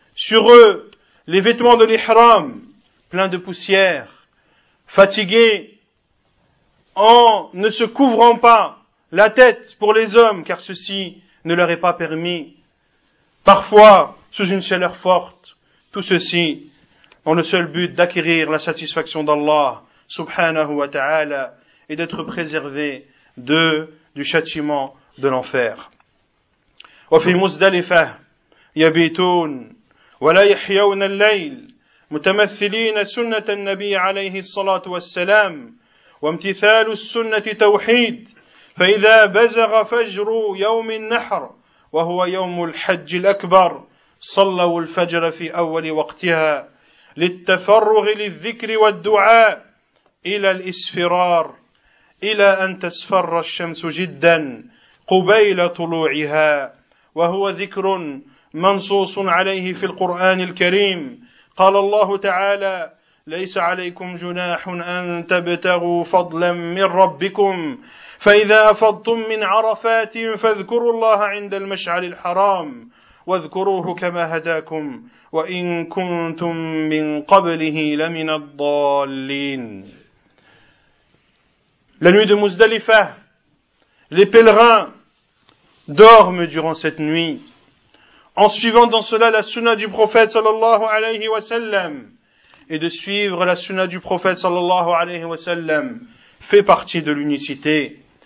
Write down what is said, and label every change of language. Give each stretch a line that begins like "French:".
French: sur eux les vêtements de l'ihram, pleins de poussière, fatigués, en ne se couvrant pas la tête pour les hommes, car ceci ne leur est pas permis. Parfois, sous une chaleur forte, tout ceci dans le seul but d'acquérir la satisfaction d'Allah subhanahu wa ta'ala et d'être préservé de du châtiment de l'enfer.
Arabic: وفي مزدلفة يبيتون ولا يحيون الليل متمثلين سنة النبي عليه الصلاة والسلام وامتثال السنة توحيد فإذا بزغ فجر يوم النحر وهو يوم الحج الأكبر صلوا الفجر في أول وقتها للتفرغ للذكر والدعاء إلى الإسفرار إلى أن تسفر الشمس جدا قبيل طلوعها وهو ذكر منصوص عليه في القرآن الكريم قال الله تعالى ليس عليكم جناح أن تبتغوا فضلا من ربكم فإذا أفضتم من عرفات فاذكروا الله عند المشعر الحرام واذكروه كما هداكم وإن كنتم من قبله لمن الضالين.
French: La nuit de Muzdalifa, les pèlerins dorment durant cette nuit, en suivant dans cela la sunna du prophète sallallahu alayhi wa sallam, et de suivre la sunna du prophète sallallahu alayhi wa sallam fait partie de l'unicité.